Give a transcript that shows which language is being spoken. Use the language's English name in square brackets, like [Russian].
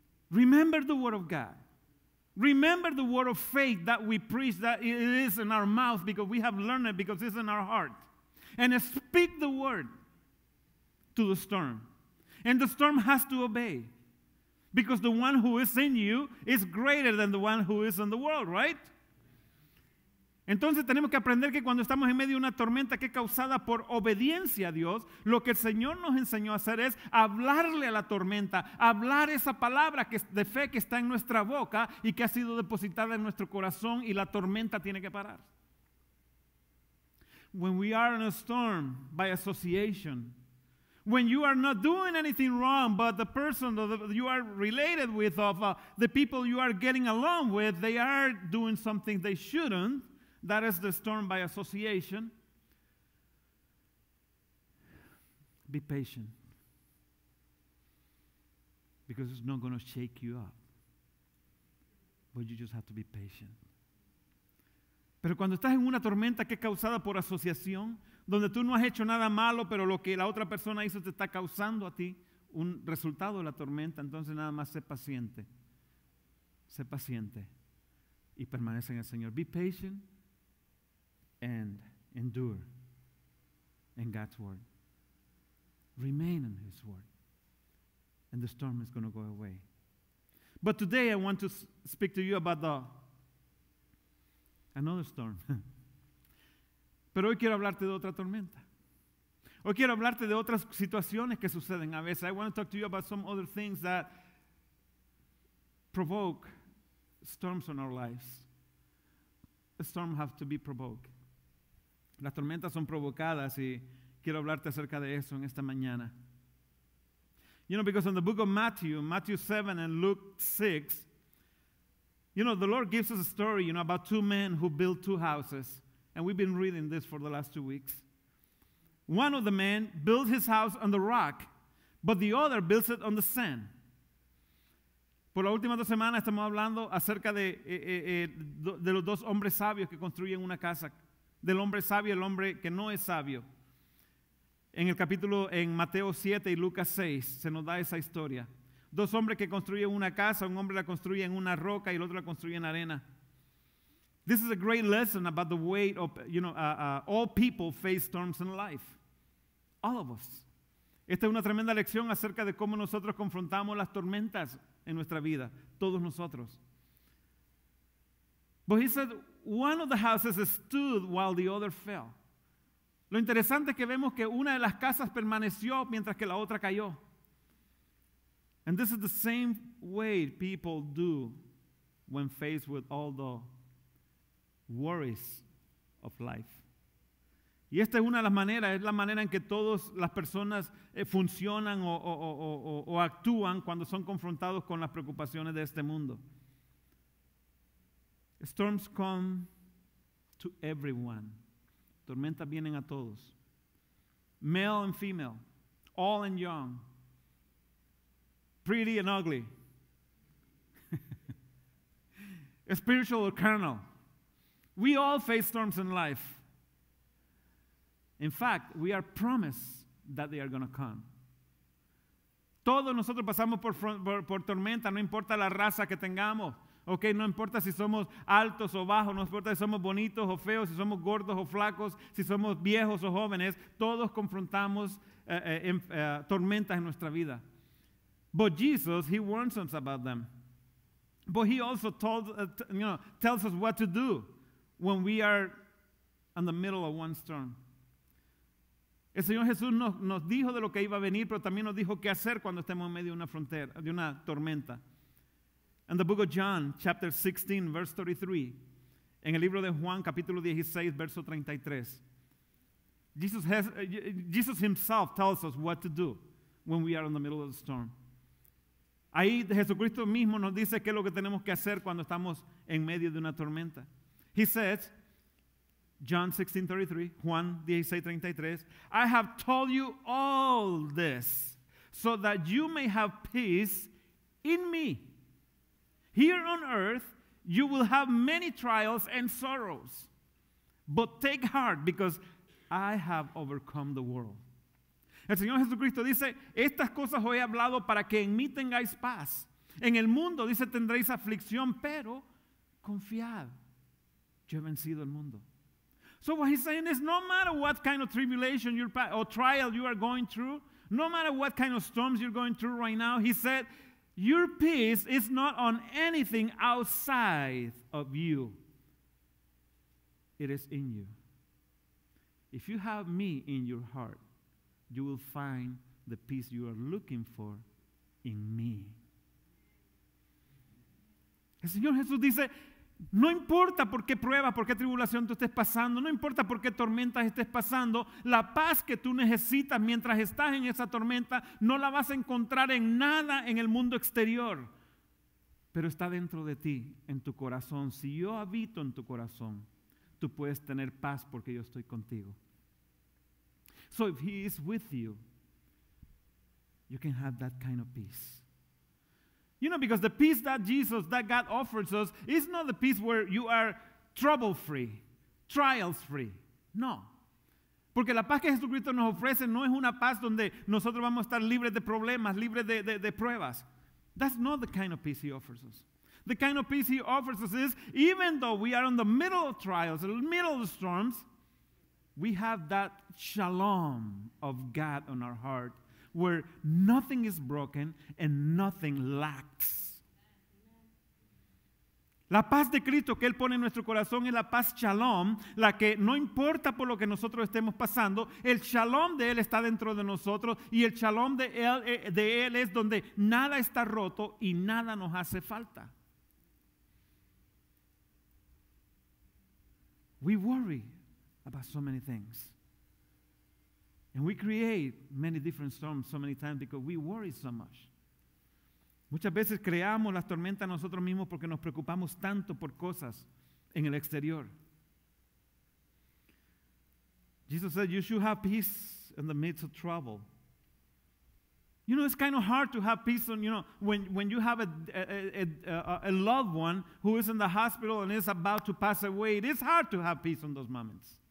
[English] Remember the word of God. Remember the word of faith that we preach, that it is in our mouth because we have learned it, because it's in our heart. And speak the word to the storm. And the storm has to obey, because the one who is in you is greater than the one who is in the world, right? [Spanish] Entonces tenemos que aprender que cuando estamos en medio de una tormenta que es causada por obediencia a Dios, lo que el Señor nos enseñó a hacer es hablarle a la tormenta, hablar esa palabra de fe que está en nuestra boca y que ha sido depositada en nuestro corazón, y la tormenta tiene que parar. [English] When we are in a storm by association, when you are not doing anything wrong, but the person that you are related with, of the people you are getting along with, they are doing something they shouldn't, that is the storm by association. Be patient, because it's not going to shake you up. But you just have to be patient. [Spanish] Pero cuando estás en una tormenta que es causada por asociación, donde tú no has hecho nada malo, pero lo que la otra persona hizo te está causando a ti un resultado de la tormenta, entonces nada más sé paciente. Sé paciente y permanece en el Señor. [English] Be patient and endure in God's word. Remain in His word, and the storm is going to go away. But today I want to speak to you about another storm. [Spanish] Pero hoy quiero hablarte de otra tormenta. Hoy quiero hablarte de otras situaciones que suceden a veces. [English] I want to talk to you about some other things that provoke storms on our lives. A storm has to be provoked. [Spanish] Las tormentas son provocadas, y quiero hablarte acerca de eso en esta mañana. [English] You know, because in the book of Matthew 7 and Luke 6, you know, the Lord gives us a story, you know, about two men who built two houses. And we've been reading this for the last 2 weeks. One of the men built his house on the rock, but the other built it on the sand. [Spanish] Por las últimas dos semanas estamos hablando acerca de los dos hombres sabios que construyen una casa. Del hombre sabio y el hombre que no es sabio. En el capítulo, en Mateo 7 y Lucas 6, se nos da esa historia. Dos hombres que construyen una casa, un hombre la construye en una roca y el otro la construye en arena. [English] This is a great lesson about the way of, you know, all people face storms in life. All of us. [Spanish] Esta es una tremenda lección acerca de cómo nosotros confrontamos las tormentas en nuestra vida. Todos nosotros. [English] But he said, one of the houses stood while the other fell. [Spanish] Lo interesante es que vemos que una de las casas permaneció mientras que la otra cayó. [English] And this is the same way people do when faced with all the worries of life. [Spanish] Y esta es una de las maneras, es la manera en que todas las personas funcionan o actúan cuando son confrontados con las preocupaciones de este mundo. [English] Storms come to everyone. [Spanish] Tormentas vienen a todos. [English] Male and female, all and young, pretty and ugly, spiritual or carnal. We all face storms in life. In fact, we are promised that they are going to come. [Spanish] Todos nosotros pasamos por tormenta, no importa la raza que tengamos. Okay, no importa si somos altos o bajos, no importa si somos bonitos o feos, si somos gordos o flacos, si somos viejos o jóvenes, todos confrontamos tormentas en nuestra vida. [English] But Jesus, He warns us about them. But He also tells us what to do when we are in the middle of one storm. [Spanish] El Señor Jesús nos dijo de lo que iba a venir, pero también nos dijo qué hacer cuando estemos en medio de una frontera, de una tormenta. [English] In the book of John, chapter 16, verse 33. [Spanish] En el libro de Juan, capítulo 16, verso 33. [English] Jesus Himself tells us what to do when we are in the middle of the storm. [Spanish] Ahí Jesucristo mismo nos dice qué es lo que tenemos que hacer cuando estamos en medio de una tormenta. [English] He says, John 16, 33, Juan 16, 33, I have told you all this so that you may have peace in me. Here on earth, you will have many trials and sorrows. But take heart, because I have overcome the world. [Spanish] El Señor Jesucristo dice, estas cosas os he hablado para que en mí tengáis paz. En el mundo, dice, tendréis aflicción, pero confiad, yo he vencido el mundo. [English] So what he's saying is, no matter what kind of tribulation or trial you are going through, no matter what kind of storms you're going through right now, he said, your peace is not on anything outside of you. it is in you. If you have me in your heart, you will find the peace you are looking for in me. [Spanish] El Señor Jesús dice, no importa por qué pruebas, por qué tribulación tú estés pasando, no importa por qué tormentas estés pasando, la paz que tú necesitas mientras estás en esa tormenta no la vas a encontrar en nada en el mundo exterior, pero está dentro de ti, en tu corazón. Si yo habito en tu corazón, tú puedes tener paz porque yo estoy contigo. [English] So if he is with you, you can have that kind of peace. You know, because the peace that Jesus, that God offers us, is not the peace where you are trouble-free, trials-free. No. [Spanish] Porque la paz que Jesucristo nos ofrece no es una paz donde nosotros vamos a estar libres de problemas, libres de pruebas. [English] That's not the kind of peace he offers us. The kind of peace he offers us is, even though we are in the middle of trials, in the middle of the storms, we have that shalom of God on our heart, where nothing is broken and nothing lacks. [Spanish] La paz de Cristo que Él pone en nuestro corazón es la paz shalom, la que no importa por lo que nosotros estemos pasando, el shalom de Él está dentro de nosotros y el shalom de Él es donde nada está roto y nada nos hace falta. [English] We worry about so many things. And we create many different storms so many times because we worry so much. [Spanish] Muchas veces creamos las tormentas nosotros mismos porque nos preocupamos tanto por cosas en el exterior. [English] Jesus said, you should have peace in the midst of trouble. You know, it's kind of hard to have peace when you have a loved one who is in the hospital and is about to pass away. It is hard to have peace in those moments.